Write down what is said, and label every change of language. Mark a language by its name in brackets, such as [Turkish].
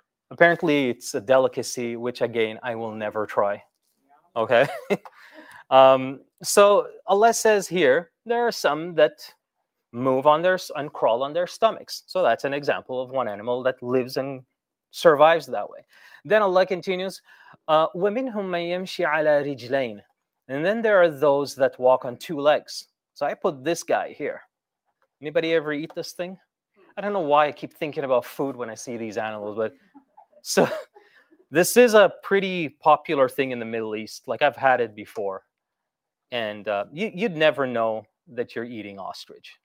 [English] Apparently, it's a delicacy, which again, I will never try. Okay? So Allah says here, there are some that move on their and crawl on their stomachs. So that's an example of one animal that lives and survives that way. Then Allah continues, [Arabic] وَمِنْهُمْ مَنْ يَمْشِي عَلَى رِجْلَيْنِ. [English] And then there are those that walk on two legs. So I put this guy here. Anybody ever eat this thing? I don't know why I keep thinking about food when I see these animals, but so this is a pretty popular thing in the Middle East. Like, I've had it before. And you'd never know that you're eating ostrich.